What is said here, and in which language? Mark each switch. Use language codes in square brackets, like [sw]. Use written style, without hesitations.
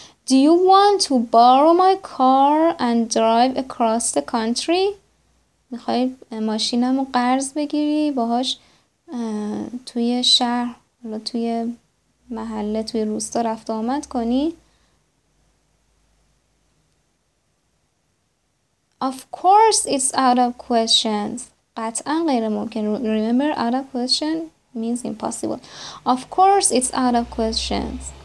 [en] Do you want to borrow my car and drive across the country? [fa] میخوای ماشینمو قرض بگیری باهاش توی شهر یا توی محله توی روستا رفت آمد کنی؟ [en] Of course it's out of question. [fa] قطعاً غیر ممکن. [en] Remember out of question means impossible. Of course it's out of question.